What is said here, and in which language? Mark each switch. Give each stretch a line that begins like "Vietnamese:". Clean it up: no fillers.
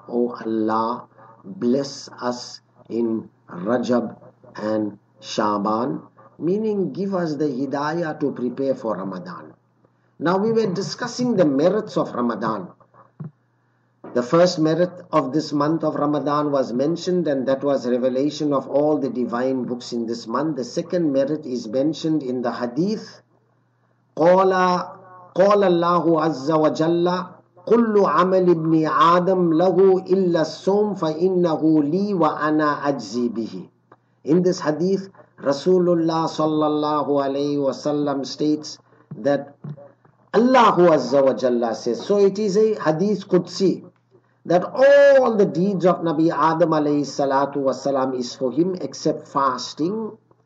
English: O Allah, bless us in Rajab and Shaban, meaning give us the hidayah to prepare for Ramadan. Now, we were discussing the merits of Ramadan. The first merit of this month of Ramadan was mentioned, and that was revelation of all the divine books in this month. The second merit is mentioned in the hadith.
Arabic: قال الله عز وجل كل عمل ابن آدم له إلا الصوم فإنه لي وأنا أجزي به.
English: In this hadith, Rasulullah
Arabic: sallallahu alayhi wasallam
English: states that Allah
Arabic: عز وجل
English: says, so it is a hadith Qudsi, that all the deeds of Nabi Adam
Arabic: alayhi salatu wasalam
English: is for him except fasting.